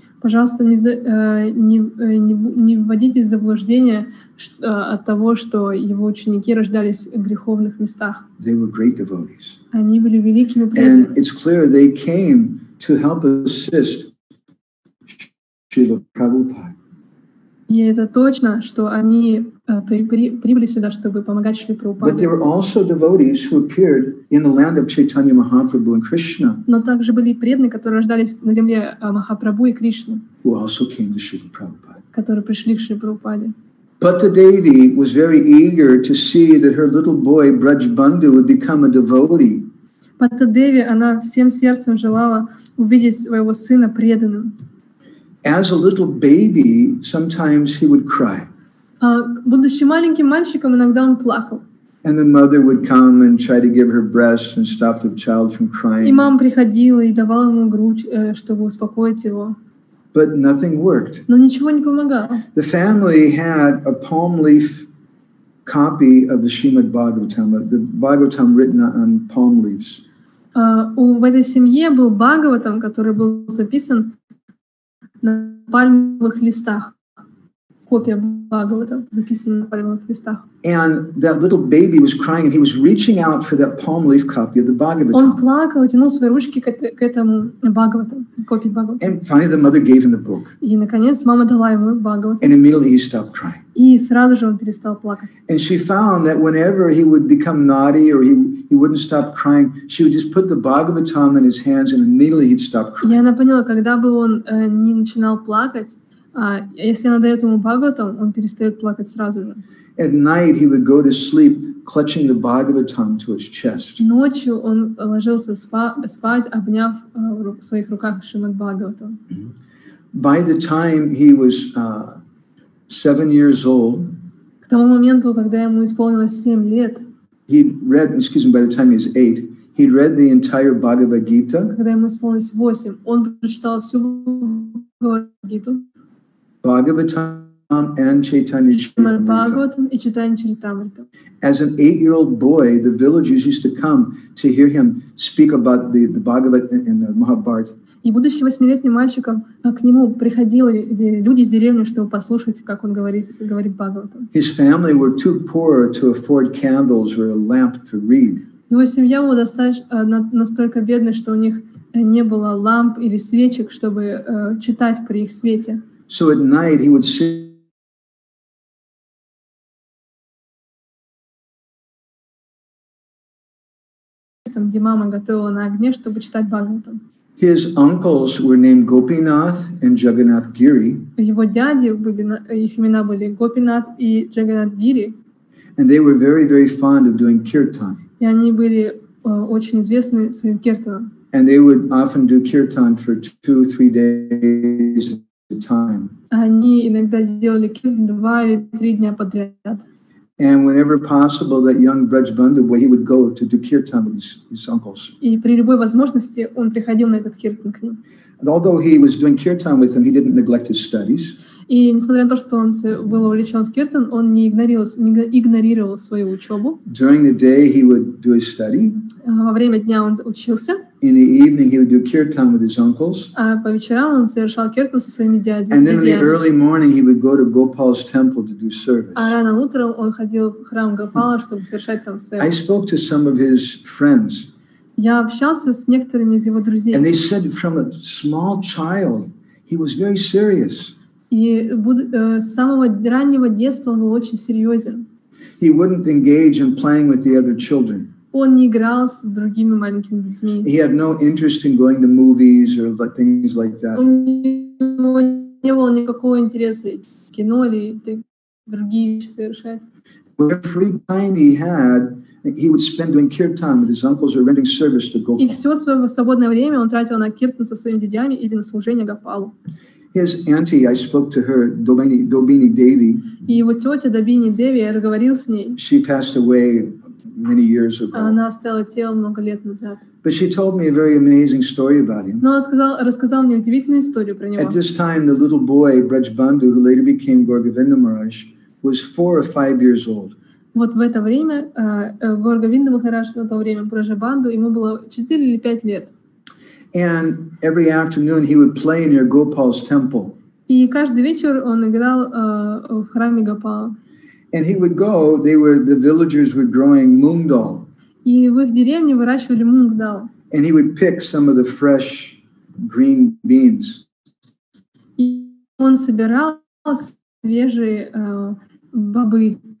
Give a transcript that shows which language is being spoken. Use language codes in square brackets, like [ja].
[ru] Пожалуйста, не вводите в заблуждение от того, что его ученики рождались в греховных местах. [en] They were great devotees. [ru] Они были великими преданными. [en] And it's clear they came to help assist Srila Prabhupada. [ru] И это точно, что они прибыли сюда, чтобы помогать Шри Прабхупаде. [en] But there were also devotees who appeared in the land of Chaitanya Mahaprabhu and Krishna. [ru] Но также были преданные, которые рождались на земле Махапрабху и Кришны. [en] Who also came to Srila Prabhupada. [ru] Которые пришли к Шри Прабхупаде. [en] But the Devi was very eager to see that her little boy Brajbandhu would become a devotee. But the [ru] Devi, она всем сердцем желала увидеть своего сына преданным. [en] As a little baby, sometimes he would cry. [ru] Будучи маленьким мальчиком, иногда он плакал. [en] And the mother would come and try to give her breast and stop the child from crying. [ru] И мама приходила и давала ему грудь, чтобы успокоить его. [en] But nothing worked. [ru] Но ничего не помогало. [en] The family had a palm leaf copy of the Srimad Bhagavatam, the Bhagavatam written on palm leaves. [ru] В этой семье был Бхагаватам, который был записан на пальмовых листах. Копия Бхагавата записана на пальмовых листах. [en] And that little baby was crying and he was reaching out for that palm leaf copy of the Bhagavatam. [ru] Он плакал, тянул свои ручки к этому Бхагавату, копии Бхагавата. [en] And finally the mother gave him the book. [ru] И наконец мама дала ему Бхагавату. [en] And immediately he stopped crying. [ru] И сразу же он перестал плакать. [en] And she found that whenever he would become naughty or he wouldn't stop crying, she would just put the Bhagavatam in his hands and immediately he'd stop crying. [ru] И она поняла, когда бы он не начинал плакать, если она дает ему Бхагаватам, он перестает плакать сразу же. [en] At night he would go to sleep clutching the Bhagavatam to his chest. [ru] Ночью он ложился спать, обняв в своих руках Шримад Бхагаватам. [en] By the time he was 7 years old, [ru] к тому моменту, когда ему исполнилось 7 лет, [en] He'd read, excuse me, by the time he was eight, he'd read the entire Bhagavad Gita. [ru] Когда ему исполнилось 8, он прочитал всю Bhagavad Gita. [en] Bhagavatam and Chaitanya Charitamrita. As an eight-year-old boy, the villagers used to come to hear him speak about the Bhagavad and the Mahabharata. [ru] И будучи восьмилетним мальчиком, к нему приходили люди из деревни, чтобы послушать, как он говорит Бхагаватам. [en] His family were too poor to afford candles or a lamp to read. [ru] Его семья была достаточно настолько бедной, что у них не было ламп или свечек, чтобы читать при их свете. [en] So at night he would sit [ru] там, где мама готовила на огне, чтобы читать Бхагаватам. [en] His uncles were named Gopinath and Jagannath Giri. [ru] Его дяди были, их имена были Гопинат и Джагнат Гири. [en] And they were very, very fond of doing kirtan. [ru] И они были очень известны своим киртаном. [en] And they would often do kirtan for 2-3 days at a time. [ru] Они иногда делали киртан 2 или 3 дня подряд. [en] And whenever possible, that young Braj Bandhu, he would go to do kirtan with his uncles. [ru] И при любой возможности он приходил на этот киртан к ним. [en] And although he was doing kirtan with them, he didn't neglect his studies. [ru] И несмотря на то, что он был увлечен в киртан, он не игнорировал свою учебу. [en] During the day he would do his study. [ru] Во время дня он учился. [en] In the evening he would do kirtan with his uncles. [ru] А по вечерам он совершал киртан со своими дядями. [en] And then in the early morning he would go to Gopal's temple to do service. [ru] А рано утром он ходил в храм Гопала, чтобы совершать там сервис. [en] I spoke to some of his friends. [ru] Я общался с некоторыми из его друзей. [en] And they said from a small child he was very serious. [ru] И с самого раннего детства он был очень серьезен. [en] He wouldn't engage in playing with the other children. [ru] Он не играл с другими маленькими детьми. [en] He had no interest in going to movies or things like that. [ru] У него не было никакого интереса в кино или другие вещи совершать. [en] Whatever free time he had, he would spend doing kirtan with his uncles or rendering service to Gopal. [ru] И все свое свободное время он тратил на киртан со своими дядями или на служение Гопалу. [en] His auntie, I spoke to her, Dobini Devi. [ru] И его тетя Добини Деви, я разговаривал с ней. [en] She passed away many years ago. [ru] Она оставила тело много лет назад. [en] But she told me a very amazing story about him. [ru] Но она рассказала мне удивительную историю про него. [en] At this time, the little boy Braj Bandhu, who later became Gaurgavinda Maharaj, was 4 or 5 years old. [ru] Вот в это время Гаургавинда Махарадж на то время Braj Bandhu, ему было 4 или 5 лет. [en] And every afternoon he would play near Gopal's temple. [ru] И каждый вечер он играл в храме Гопала. [en] And he would go. The villagers were growing mungdal. [ru] И в их деревне выращивали мунгдал. [en] And he would pick some of the fresh green beans. [ru] И он собирал свежие бобы.